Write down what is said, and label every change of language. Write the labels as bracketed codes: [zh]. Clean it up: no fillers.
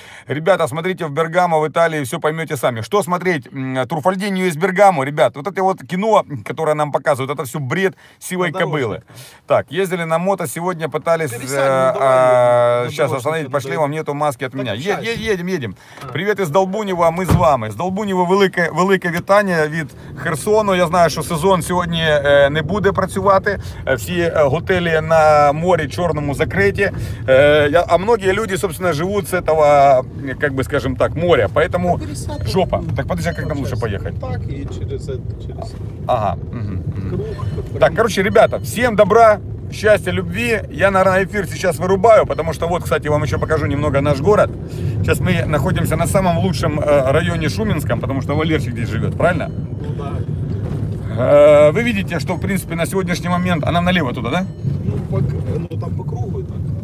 [ru] Ребята, смотрите в Бергамо, в Италии, все поймете сами. Что смотреть? Труффальдино из Бергамо, ребят, вот это вот кино, которое нам показывают, это все бред сивой кобылы. Так, ездили на мото, сегодня пытались сейчас остановить по шлемам, нету маски от меня. Едем. Привет из Долбунева, мы с вами. [uk] Из Долбунева велике вітання від Херсону. Я знаю, що сезон сьогодні не буде працювати. Всі готелі на морі чорному закриті. [ru] А многие люди, собственно, живуть з этого, как бы, скажем так, моря. Поэтому жопа. Так подожди, [uk] як нам лучше поїхати? Так, і через. Ага. [ru] Так, короче, ребята, [uk] всім добра. [ru] Счастья, любви. Я, наверное, эфир сейчас вырубаю, потому что вот, кстати, вам еще покажу немного наш город. Сейчас мы находимся на самом лучшем районе Шуминском, потому что Валерчик здесь живет, правильно? Ну да. Вы видите, что, в принципе, на сегодняшний момент... А нам налево туда, да? Ну, там по кругу и так.